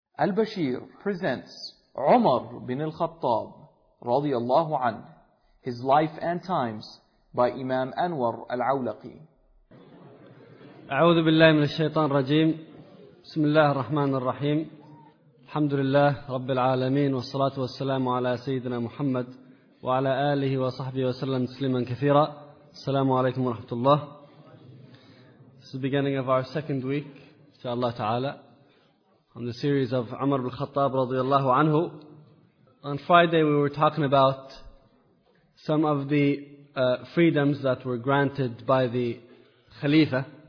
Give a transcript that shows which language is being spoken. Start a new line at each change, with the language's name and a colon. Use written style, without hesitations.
English: Al-Bashir presents Umar bin al-Khattab, radiallahu anhu, his life and times by Imam Anwar al-Awlaqi.
Arabic: أعوذ بالله من الشيطان الرجيم بسم الله الرحمن الرحيم الحمد لله رب العالمين والصلاة والسلام على سيدنا محمد وعلى آله وصحبه وسلم تسليما كثيرا السلام عليكم ورحمة الله.
English: This is the beginning of our second week, inshallah ta'ala, on the series of Umar bin Khattab
Arabic: رضي الله عنه.
English: On Friday we were talking about some of the freedoms that were granted by the Khalifa.